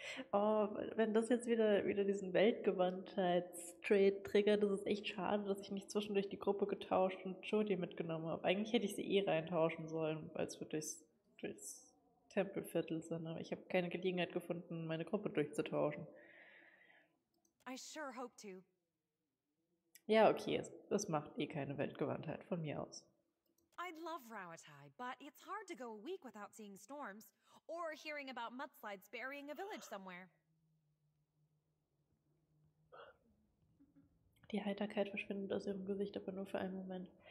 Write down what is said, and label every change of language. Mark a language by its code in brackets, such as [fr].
[de] Oh, wenn das jetzt wieder diesen Weltgewandtheitstrade triggert, das ist echt schade, dass ich mich zwischendurch die Gruppe getauscht und Jodie mitgenommen habe. Eigentlich hätte ich sie eh reintauschen sollen, weil es wirklich durchs Tempelviertel sind, aber ich habe keine Gelegenheit gefunden, meine Gruppe durchzutauschen. [en] I sure hope to. [de] Ja, okay, es macht eh keine Weltgewandtheit von mir aus. [en] I'd love Rawatai, but it's hard to go a week without seeing storms. Or hearing about mudslides burying a village somewhere. [de] Die Heiterkeit verschwindet aus ihrem Gesicht, aber nur für einen Moment.